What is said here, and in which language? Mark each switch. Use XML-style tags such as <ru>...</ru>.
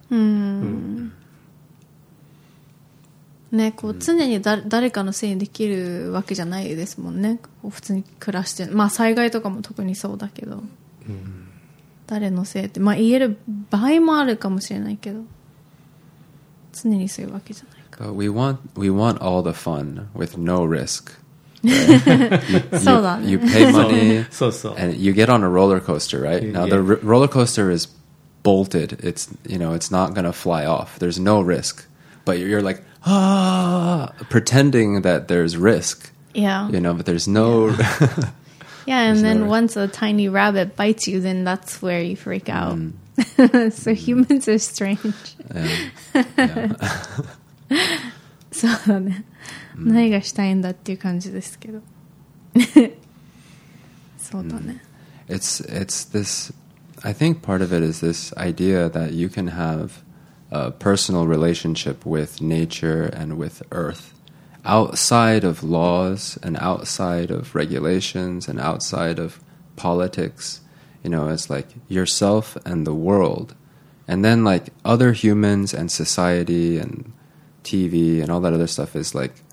<ja>うんうん、ね、こう常にだ、うん、誰かのせいにできるわけじゃないですもんね、こう普通に暮らして、まあ、災害とかも特にそうだけど、うん、誰のせいって、まあ、言える場合もあるかもしれないけど常にそういうわけじゃないか。</ja> <en>But we want all the fun with no risk</en> <ja>そうだね。</ja> <en>You pay money,</en> <ja>そうそう。</ja> <en>And you get on a roller coaster, right? Now, yeah. the roller coaster is bolted. It's, you know, it's not going to fly off. There's no risk. But you're like, ah, pretending that there's risk. Yeah. You know, but there's no... Yeah, yeah, and then once a tiny rabbit bites you, then that's where you freak out. Mm. So mm. humans are strange. Yeah.</en> <ja>そうだね。何がしたいんだっていう感じですけど、そうだね。</ja> <en>It's this. I think part of it is this idea that you can have a personal relationship with nature and with earth outside of laws and outside of regulations and outside of politics. You know, it's like yourself and the world, and then like other humans and society and TV and all that other stuff is like.</en>